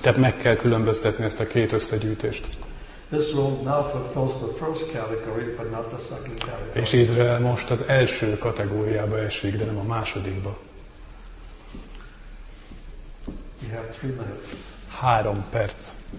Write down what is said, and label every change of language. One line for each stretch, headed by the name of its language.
Hungarian: Tehát meg kell különböztetni ezt a két összegyűjtést.
English: This rule now fulfills the first category, but not the second category.
Hungarian: És Izrael most az első kategóriába esik, de nem a másodikba.
English: We have 3 minutes.
Hungarian: 3 perc.